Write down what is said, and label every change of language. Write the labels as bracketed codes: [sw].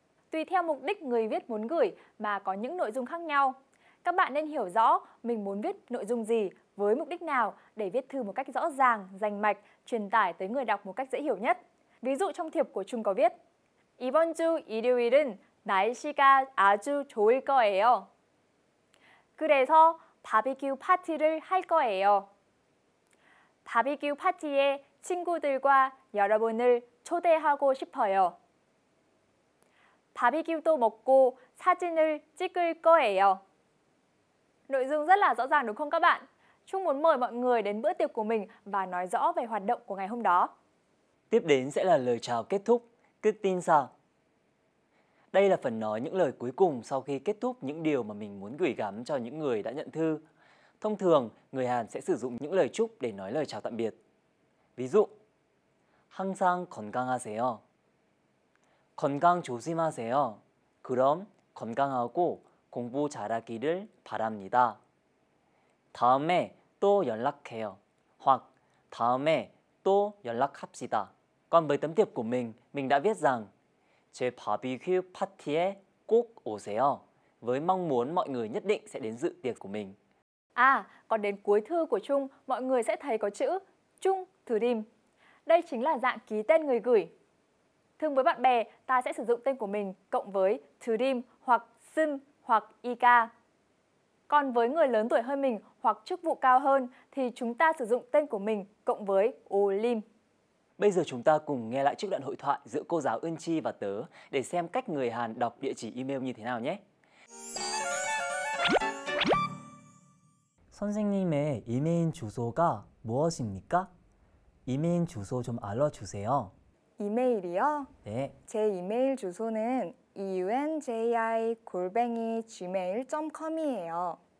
[vi] Tùy theo mục đích người viết muốn gửi mà có những nội dung khác nhau. Các bạn nên hiểu rõ mình muốn viết nội dung gì, với mục đích nào để viết thư một cách rõ ràng, rành mạch, truyền tải tới người đọc một cách dễ hiểu nhất. Ví dụ trong thiệp của Trung có viết [ko] 이번 주 일요일은 날씨가 아주 좋을 거예요. 그래서 바비큐 파티를 할 거예요. 바비큐 파티에 친구들과 여러분을 초대하고 싶어요. 바비큐도 먹고 사진을 찍을 거예요. [vi] Nội dung rất là rõ ràng đúng không các bạn? Trung muốn mời mọi người đến bữa tiệc của mình và nói rõ về hoạt động của ngày hôm đó. Tiếp đến sẽ là lời chào kết thúc, kết tin sao. Đây là phần nói những lời cuối cùng sau khi kết thúc những điều mà mình muốn gửi gắm cho những người đã nhận thư. Thông thường, người Hàn sẽ sử dụng những lời chúc để nói lời chào tạm biệt. Ví dụ, [ko] 항상 건강하세요. 건강 조심하세요. 그럼 건강하고 공부 잘하기를 바랍니다. 다음에 또 연락해요. [vi] Hoặc [ko] 다음에 또 연락합시다. [vi] Còn với tấm thiệp của mình đã viết rằng [ko] 제 바비큐 파티에 꼭 오세요. [vi] Với mong muốn mọi người nhất định sẽ đến dự tiệc của mình. À, còn đến cuối thư của Trung, mọi người sẽ thấy có chữ Trung Dream. Đây chính là dạng ký tên người gửi. Thường với bạn bè, ta sẽ sử dụng tên của mình cộng với Dream hoặc Sim hoặc Ika. Còn với người lớn tuổi hơn mình hoặc chức vụ cao hơn thì chúng ta sử dụng tên của mình cộng với Olim. Bây giờ chúng ta cùng nghe lại trích đoạn hội thoại giữa cô giáo Ưn Chi và tớ để xem cách người Hàn đọc địa chỉ email như thế nào nhé. [ko] 선생님의 이메일 주소가 무엇입니까? 이메일 주소 좀 알려주세요. 이메일이요? 네. 제 이메일 주소는 unji@gmail.com이에요.